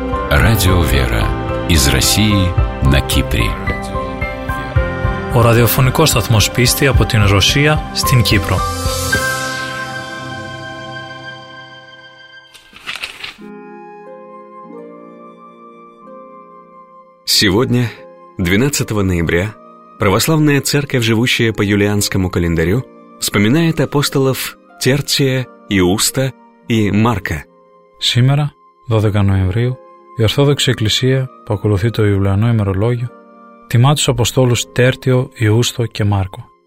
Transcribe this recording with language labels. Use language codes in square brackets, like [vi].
[ru] Радио «Вера» из России на Кипре. [el] Ο ραδιοφωνικός σταθμός πίστη από την Ρωσία στην Κύπρο. [ru] Сегодня, 12 ноября, православная церковь, живущая по юлианскому календарю, вспоминает апостолов Тертия, Иуста и Марка. Сегодня, 12 ноября, [el] η Ορθόδοξη Εκκλησία, που ακολουθεί το Ιουλιανό ημερολόγιο, τιμά τους Αποστόλους Τέρτιο, Ιούστο και Μάρκο.